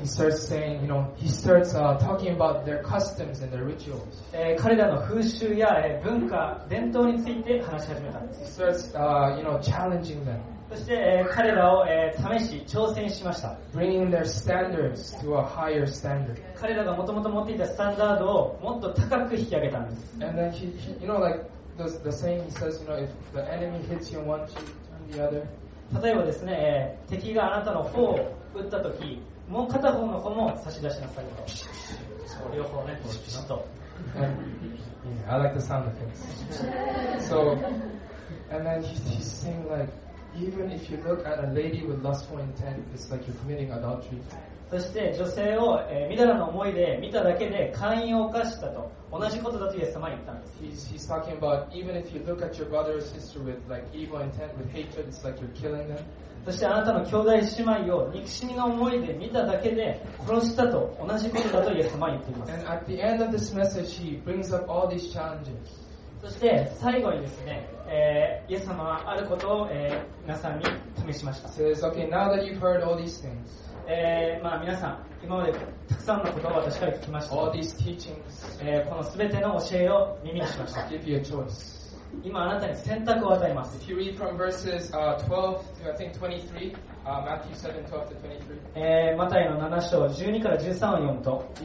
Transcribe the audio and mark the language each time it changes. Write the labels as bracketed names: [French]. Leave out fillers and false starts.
[English] he starts saying, you know, he starts talking about their customs and their rituals. [Japanese] 彼らの風習や文化、伝統について話し始めたんです。 [English] He starts, you know, challenging them. [Japanese] そして、彼らを、試し挑戦しました。 [English] Bringing their standards to a higher standard. [Japanese] 彼らがもともと持っていたスタンダードをもっと高く引き上げたんです。 [English] And then he, you know, like the saying he says, you know, if the enemy hits you one cheek, turn the other. [Japanese] 例えばですね、敵があなたの頬を打ったとき、もう片方の頬も差し出しなさいと。そう、両方ね、ピシピシと。 [English] Yeah, I like the sound of things. So, and then he's saying like,Even if you look at a lady with lustful intent, it's like you're committing adultery. [Japanese] そして女性を、みだらの思いで見ただけで姦淫を犯したと同じことだとイエス様は言ったんです。 [English] He's talking about even if you look at your brother or sister with like evil intent, with hatred, it's like you're killing them. [Japanese] そしてあなたの兄弟姉妹を憎しみの思いで見ただけで殺したと同じことだとイエス様は言っています。 [English] And at the end of this message, he brings up all these challenges. [Japanese] そして最後にですね、イエス様はあることを、皆さんに試しました。 [English] So it's okay, now that you've heard all these things, [Japanese] まあ皆さん、今までたくさんのことを私から聞きました。 [English] All these teachings, [Japanese] この全ての教えを耳にしました。 [English] I'll give you a choice. [Japanese] 今あなたに選択を与えます。 [English] If you read from verses, 12 to 23, Matthew 7, 12 to 23, [Japanese] マタイの7章12から13を読むと、